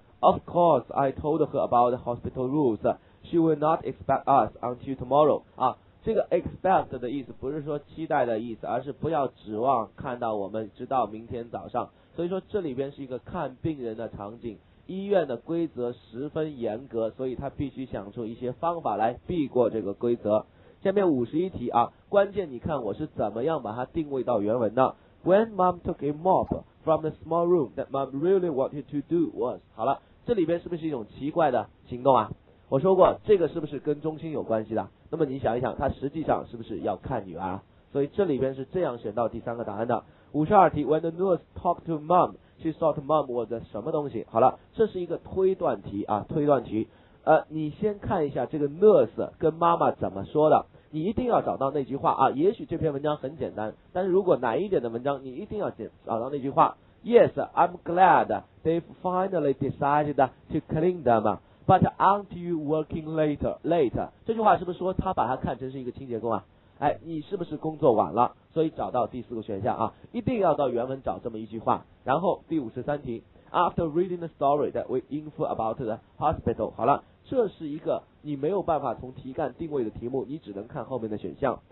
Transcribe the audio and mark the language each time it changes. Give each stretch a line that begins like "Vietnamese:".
English: Of course, I told her about the hospital rules. She will not expect us until tomorrow.
Chinese: 啊，这个 expect 的意思不是说期待的意思，而是不要指望看到我们直到明天早上。所以说这里边是一个看病人的场景，医院的规则十分严格，所以他必须想出一些方法来避过这个规则。下面51题啊，关键你看我是怎么样把它定位到原文的。
English: When Mom took a mop from the small room that Mom really wanted to do was，
Chinese: 好了，这里边是不是一种奇怪的行动啊？我说过这个是不是跟中心有关系的，那么你想一想他实际上是不是要看女儿，所以这里边是这样选到第三个答案的。 52题，
English: When the nurse talked to Mom she thought Mom was
Chinese: 什么东西，好了，这是一个推断题啊，推断题。你先看一下这个 nurse 跟妈妈怎么说的，你一定要找到那句话啊，也许这篇文章很简单，但是如果难一点的文章你一定要找到那句话。
English: Yes, I'm glad they've finally decided to clean them, but aren't you working later?
Chinese: 这句话是不是说他把它看成是一个清洁工啊，哎，你是不是工作晚了，所以找到第四个选项啊，一定要到原文找这么一句话。然后第53题，
English: After reading the story that we info about the hospital，
Chinese: 好了，这是一个你没有办法从题干定位的题目，你只能看后面的选项。